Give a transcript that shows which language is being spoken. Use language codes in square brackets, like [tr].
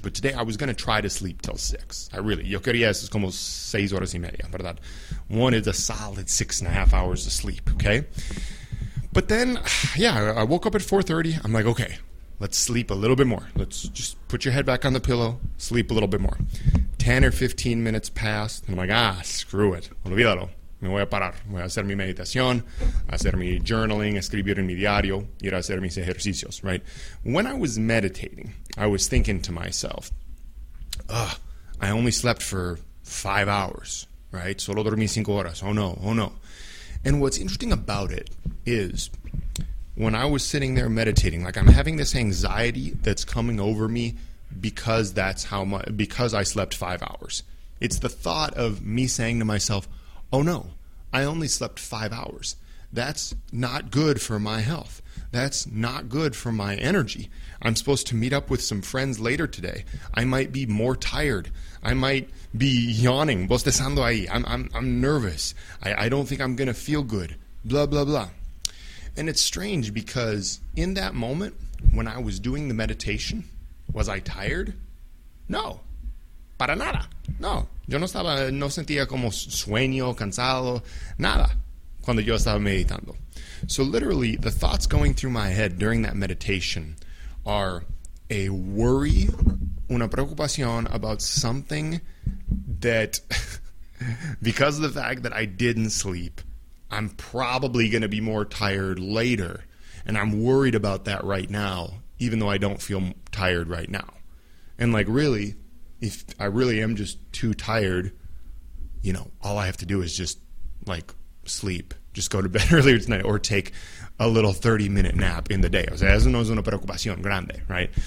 [en] But today, I was going to try to sleep till 6. I really, [es] yo quería, es como 6 horas y media, ¿verdad? [en] Wanted a solid 6.5 hours of sleep, okay? But then, yeah, I woke up at 4:30. I'm like, okay, let's sleep a little bit more. Let's just put your head back on the pillow, sleep a little bit more. 10 or 15 minutes passed. I'm like, ah, screw it. [es] Olvídalo. Me voy a parar. Voy a hacer mi meditación, hacer mi journaling, escribir en mi diario, ir a hacer mis ejercicios, right? [en] When I was meditating, I was thinking to myself, ugh, I only slept for 5 hours, right? [es] Solo dormí 5 horas. [en] Oh no, oh no. And what's interesting about it is when I was sitting there meditating, like I'm having this anxiety that's coming over me because that's how much, because I slept 5 hours. It's the thought of me saying to myself, oh no, I only slept 5 hours. That's not good for my health. That's not good for my energy. I'm supposed to meet up with some friends later today. I might be more tired. I might be yawning. I'm nervous. I don't think I'm going to feel good. Blah, blah, blah. And it's strange because in that moment, when I was doing the meditation, was I tired? [es] No. Para nada. No. Yo no estaba, no sentía como sueño, cansado, nada. Cuando yo estaba meditando. [en] So literally, the thoughts going through my head during that meditation are a worry, [es] una preocupación [en] about something that, because of the fact that I didn't sleep, I'm probably going to be more tired later. And I'm worried about that right now, even though I don't feel tired right now. And like, really, if I really am just too tired, you know, all I have to do is just like sleep. Just go to bed earlier tonight or take a little 30-minute nap in the day. [es] O sea, eso no es una preocupación grande, right?